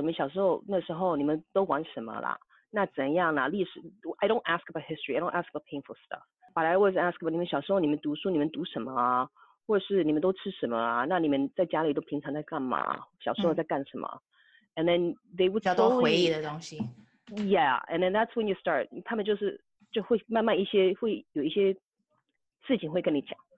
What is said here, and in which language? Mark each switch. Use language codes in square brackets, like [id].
[zh] 你们小时候那时候你们都玩什么啦? 那怎样啦？历史, [en] I don't ask about history. I don't ask about painful stuff. But I always ask about [zh] 你们小时候你们读书你们读什么啊? 或者是你们都吃什么啊?那你们在家里都平常在干嘛? 小时候在干什么? [en] And then they would slowly... [zh] 比较多回忆的东西。 [en] Yeah, and then that's when you start. [zh] 他们就会慢慢有一些事情会跟你讲。